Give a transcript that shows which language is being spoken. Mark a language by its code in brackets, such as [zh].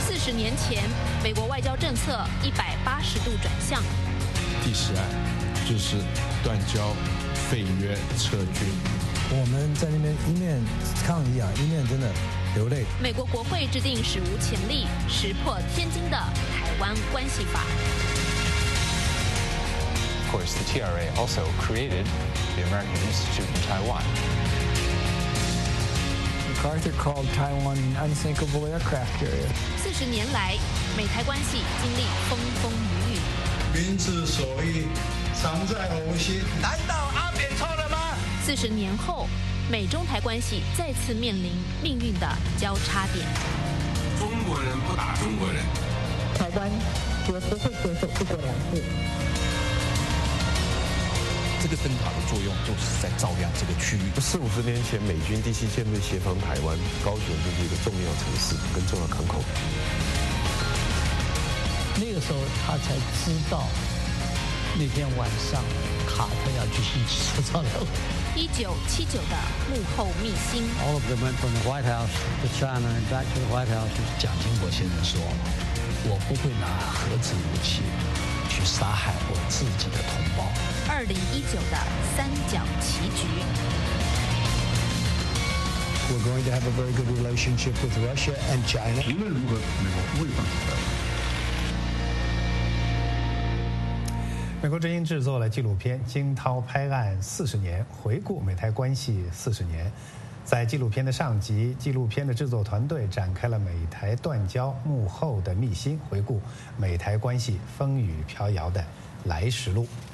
[zh] 年前，美国外交政策180度转向。第十案就是断交、废约、撤军。我们在那边一面抗议啊，一面真的流泪。美国国会制定史无前例、石破天惊的台湾关系法。 [en] Of course, the TRA also created the American Institute in Taiwan. MacArthur called Taiwan an unsinkable aircraft carrier. [zh] 四十年来，美台关系经历风风雨雨。民之所欲，常在吾心。难道阿扁错了吗？四十年后，美中台关系再次面临命运的交叉点。中国人不打中国人，台湾绝不会接受一国两制。这个灯塔的作用就是在照亮这个区域。四五十年前，美军第七舰队协防台湾，高雄就是一个重要城市跟重要港口。那个时候，他才知道那天晚上卡特要举行什么操演。 1979的幕后秘辛。 [en] All of them went from the White House to China and back to the White House。 [zh] 蒋经国先生说：“我不会拿核子武器。” 去杀害我自己的同胞。 2019的三角棋局。 [en] We're going to have a very good relationship with Russia and China。 [zh] 无论如何，美国不会放弃台湾。美国之音制作了纪录片《惊涛拍岸四十年》，回顾美台关系四十年。在纪录片的上集，纪录片的制作团队展开了美台断交幕后的秘辛，回顾美台关系风雨飘摇的来时路。